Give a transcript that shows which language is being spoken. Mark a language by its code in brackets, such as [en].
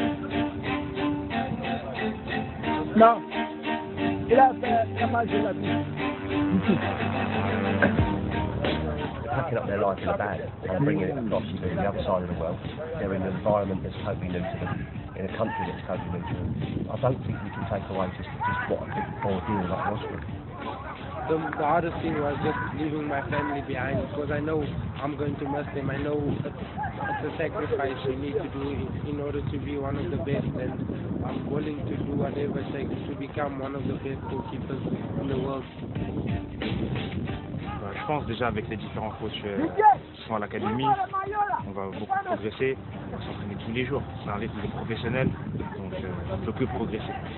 [fr] Non, il a fait mal de la vie. [en] Up their life in a bag and bringing it across to the other side of the world. They're in an environment that's totally new to them, in a country that's totally new to them. I don't think you can take away just what a big ordeal that was for them. The hardest thing was just leaving my family behind, because I know I'm going to miss them. I know it's a sacrifice you need to do in order to be one of the best, and I'm willing to do whatever it takes to become one of the best goalkeepers in the world. [fr] Je pense déjà avec les différents coachs qui sont à l'académie, on va beaucoup progresser, on va s'entraîner tous les jours. C'est un rythme professionnel, donc je ne peux que progresser.